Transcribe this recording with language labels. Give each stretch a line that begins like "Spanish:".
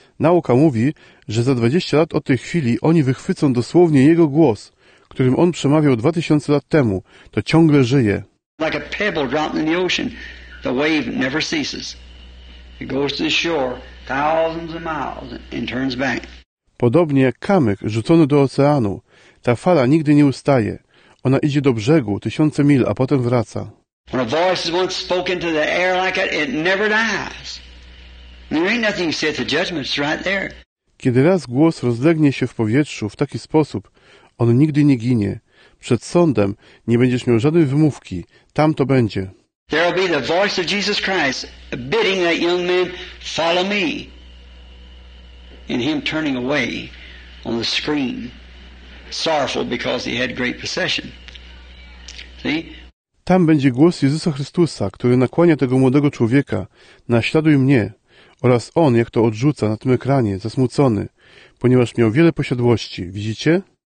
Polish: Nauka mówi, że za 20 lat od tej chwili oni wychwycą dosłownie jego głos, którym on przemawiał 2000 lat temu. To ciągle żyje.
English: Like a pebble dropped in the ocean, the wave never ceases. It goes to the shore thousands of miles and turns back.
Polish: Podobnie jak kamyk rzucony do oceanu, ta fala nigdy nie ustaje. Ona idzie do brzegu tysiące mil, a potem wraca.
English: When a voice is once spoken to the air like that, it never dies. There ain't nothing you say at the judgment, it's right there.
Polish: Kiedy raz głos rozlegnie się w powietrzu w taki sposób, on nigdy nie ginie. Przed sądem nie będziesz miał żadnej wymówki. Tam to będzie.
English: There will be the voice of Jesus Christ bidding that young man, follow me. And him turning away on the screen, sorrowful because he had great possession. See?
Polish: Tam będzie głos Jezusa Chrystusa, który nakłania tego młodego człowieka, naśladuj mnie, oraz on, jak to odrzuca na tym ekranie, zasmucony, ponieważ miał wiele posiadłości, widzicie?